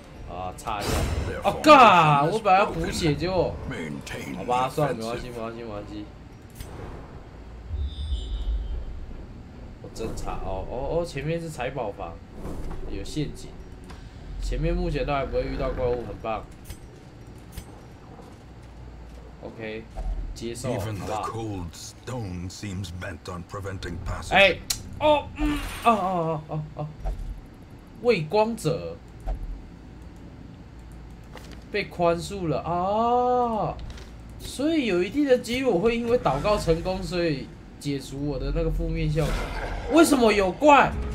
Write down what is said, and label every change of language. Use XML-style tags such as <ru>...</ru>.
<zh>啊，擦一下，哦嘎，我本来要补血就，好吧，算了，没关系。侦查哦哦哦，前面是财宝房，有陷阱。前面目前都还不会遇到怪物，很棒。 OK， 接受好不好？</zh> <en>Cold stone seems bent on preventing passage.</en> <zh>哎，哦，嗯，哦，畏光者被宽恕了啊，所以有一定的几率我会因为祷告成功，所以。解除我的那个负面效果，为什么有怪？</zh>